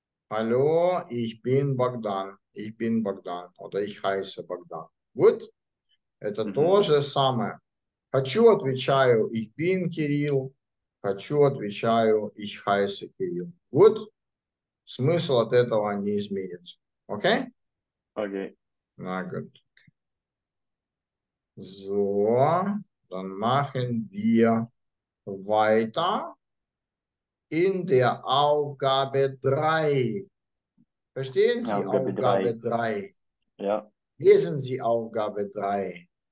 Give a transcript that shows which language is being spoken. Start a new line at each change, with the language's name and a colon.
German: Hallo, ich bin Богдан. Ich bin Богдан. Oder ich heiße Богдан.
Russian: Gut? Это то же самое. Хочу, отвечаю.
German: Ich bin Kirill.
Russian: Хочу, отвечаю,
German: ich heiße Kirill.
Russian: Вот смысл от этого не изменится. Окей? Окей. На good.
German: So, dann machen wir weiter in der Aufgabe 3. Verstehen Sie Aufgabe 3? Ja. Lesen Sie Aufgabe 3.